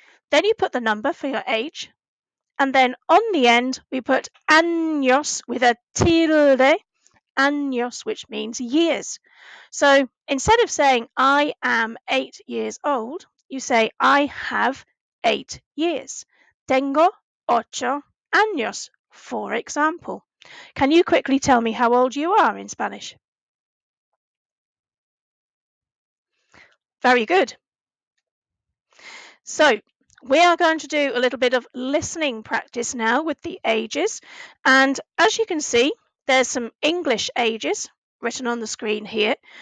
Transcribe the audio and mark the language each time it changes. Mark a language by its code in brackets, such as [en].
[en] Then you put the number for your age. And then on the end, we put años with a tilde, años, which means years. So instead of saying I am 8 years old, you say I have 8 years. [es] Tengo ocho años, [en] for example. Can you quickly tell me how old you are in Spanish? Very good. So we are going to do a little bit of listening practice now with the ages. And as you can see, there's some English ages written on the screen here.